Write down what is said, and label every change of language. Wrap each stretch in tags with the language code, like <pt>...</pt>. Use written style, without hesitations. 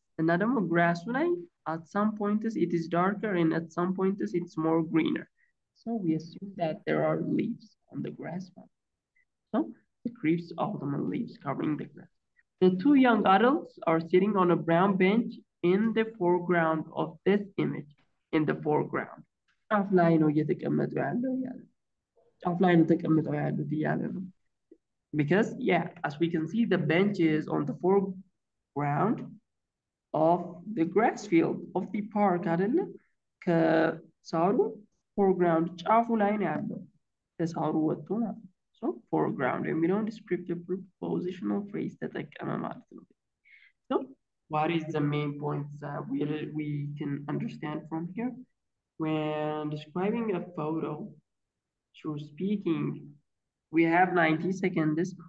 <en>Another more grass line, at some points it is darker and at some points it's more greener. So we assume that there are leaves on the grass line. So the crisp autumn leaves covering the grass. The two young adults are sitting on a brown bench in the foreground of this image, in the foreground.</en> <am>ጫፍ ላይ ነው እየተቀመጠ ያለው ያለው ጫፍ ላይ ነው ተቀምጠው ያሉት እያለ ነው.</am> <en>Because, yeah, as we can see, the bench is on the foreground of the grass field, of the park,</en> <am>አይደለ? ከሳሩ foreground ጫፉ ላይ ነው ያለው ከሳሩ ወጥቶ ማለት ነው.</am> <en>So foreground, and we don't descriptive prepositional phrase that I can imagine. So what is the main point that we can understand from here? When describing a photo through speaking, we have 90 seconds.</en>